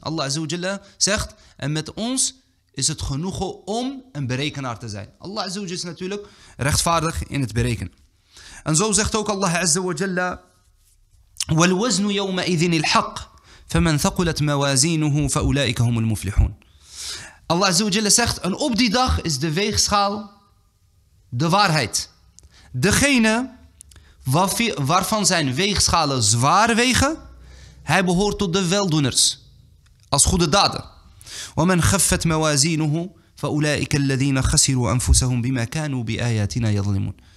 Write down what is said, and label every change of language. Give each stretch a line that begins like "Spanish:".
Dutch: Allah Azza wa Jalla zegt, en met ons is het genoegen om een berekenaar te zijn. Allah Azza wa Jalla is natuurlijk rechtvaardig in het berekenen.
Arabic: En zo zegt ook Allah Azza wa Jalla: وَالْوَزْنُ يَوْمَئِذٍ الْحَقِّ فَمَنْ ثَقُلَتْ مَوَازِينُهُ فَأُولَٰئِكَ هُمُ الْمُفْلِحُونَ.
Dutch: Allah Azza wa Jalla zegt, en op die dag is de weegschaal de waarheid. Degene waarvan zijn weegschalen zwaar wegen, hij behoort tot de weldoeners als goede daden.
Arabic: وَمَنْ خَفَّتْ مَوَازِينُهُ فَأُولَٰئِكَ الَّذِينَ خَسِرُوا أَنفُسَهُمْ بِمَا كَانُوا بِآيَاتِنَا يَظْلِمُونَ.